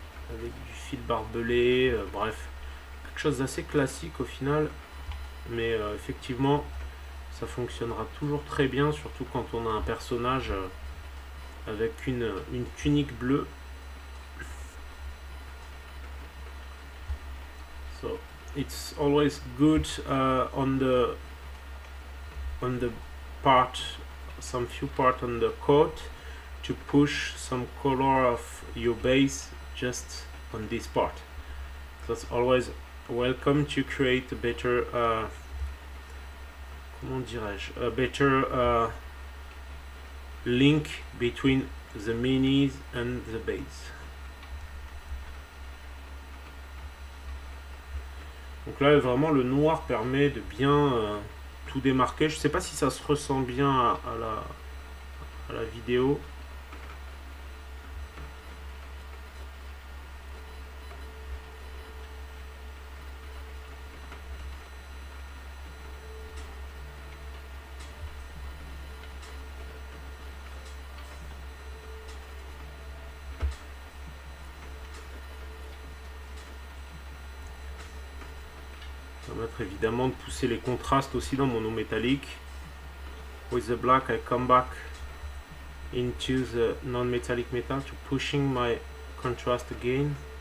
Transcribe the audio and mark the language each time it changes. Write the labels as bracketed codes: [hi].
[fr] Avec du fil barbelé, bref, quelque chose d'assez classique au final, mais effectivement, ça fonctionnera toujours très bien, surtout quand on a un personnage avec une tunique bleue. [en] So, it's always good on the part, some few part on the coat, to push some color of your base. Just on this part. That's always welcome to create a better, [fr] comment dirais-je, [en] a better link between the minis and the base. [fr] Donc là, vraiment, le noir permet de bien tout démarquer. Je ne sais pas si ça se ressent bien à la vidéo. Évidemment de pousser les contrastes aussi dans mon eau métallique. [en] With the black, I come back into the non-metallic metal to pushing my contrast again.